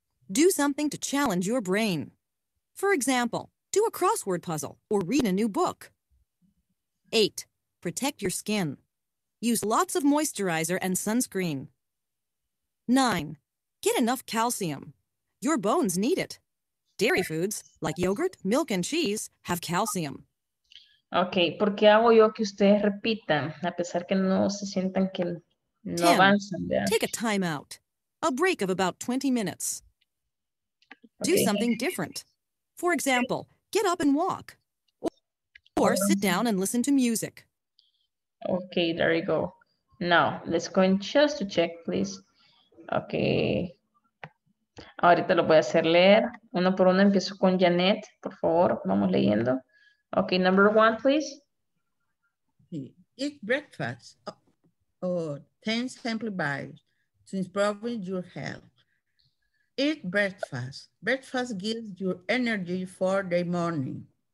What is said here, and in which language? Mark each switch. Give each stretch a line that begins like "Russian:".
English: Do something to challenge your brain. For example, do a crossword puzzle or read a new book. 8. Protect your skin. Use lots of moisturizer and sunscreen. 9. Get enough calcium. Your bones need it. Dairy foods, like yogurt, milk, and cheese, have calcium.
Spanish: Okay, ¿por qué hago yo que ustedes repitan, a pesar que no se sientan que no avanzan?
English: Take a time out. A break of about 20 minutes. Okay. Do something different. For example, get up and walk. Or sit down and listen to music. Okay, there you go. Now, let's go and just to check, please.
Spanish: Okay. Ahorita lo voy a hacer leer. Uno por uno empiezo con Janet, por favor, vamos leyendo.
English: Okay, number one, please. Eat breakfast or 10 simple ways to improve your health. Eat breakfast. Breakfast gives you energy for the morning.